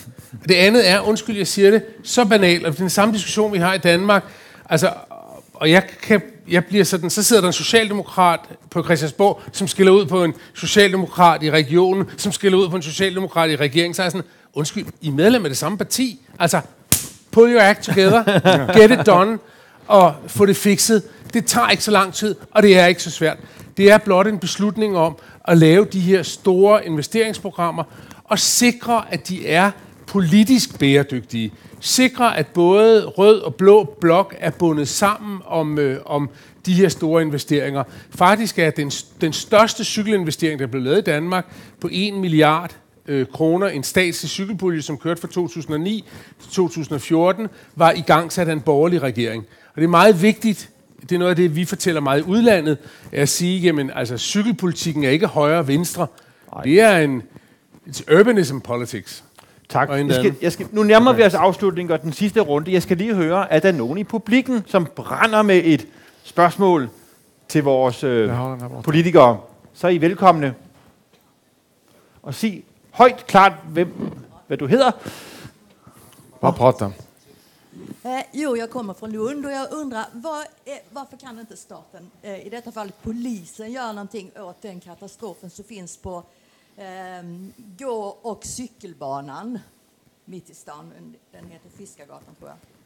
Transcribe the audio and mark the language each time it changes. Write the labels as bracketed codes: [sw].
[sv] Det andra är, undskyld jag säger det, så banalt och den samma diskussion vi har i Danmark. Alltså och jag blir sån, så sitter en socialdemokrat på Christiansborg som skiller ut på en socialdemokrat i regionen, som skiller ut på en socialdemokrat i regeringen, så är sån, undskyld, i medlem med det samma parti. [en] Alltså pull your act together, get it done, [da] og få det fikset. Det tager ikke så lang tid, og det er ikke så svært. Det er blot en beslutning om at lave de her store investeringsprogrammer, og sikre, at de er politisk bæredygtige. Sikre, at både rød og blå blok er bundet sammen om de her store investeringer. Faktisk er den største cykelinvestering, der blev lavet i Danmark, på 1 milliard, kroner, en statslig cykelpulje, som kørte fra 2009 til 2014, var i gang sat af en borgerlig regering. Og det er meget vigtigt, det er noget af det, vi fortæller meget i udlandet, at sige, jamen, altså, cykelpolitikken er ikke højre og venstre. Nej. Det er en [en] urbanism politics. [da] Tak. Nu nærmer vi os afslutningen og den sidste runde. Jeg skal lige høre, er der nogen i publikken, som brænder med et spørgsmål til vores politikere? Så er I velkomne. Og sig højt klart, hvad du hedder. [sv] Vad pratar? Jo, jag kommer från Lund och jag undrar, varför kan inte staten, i detta fall polisen, göra någonting åt den katastrofen som finns på gå- och cykelbanan mitt i stan? Den heter Fiskargatan, tror jag.